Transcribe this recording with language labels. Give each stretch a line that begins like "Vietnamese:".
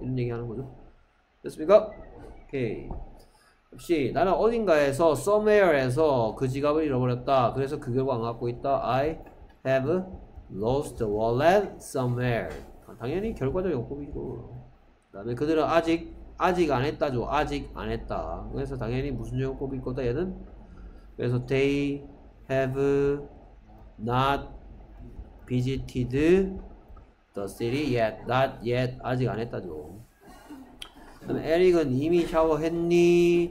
Korean: 이런 얘기하는 거죠. 됐습니까? 오케이. 역시 나는 어딘가에서 somewhere에서 그 지갑을 잃어버렸다. 그래서 그 결과 안 갖고 있다.
English: I have lost the wallet somewhere.
Korean: 당연히 결과적 용법이고 그 다음에 그들은 아직 안 했다죠. 아직 안 했다. 그래서 당연히 무슨 용법일 거다 얘는. 그래서
English: they have not visited the city yet. Not yet.
Korean: 아직 안 했다죠. 그다음에 에릭은 이미 샤워했니?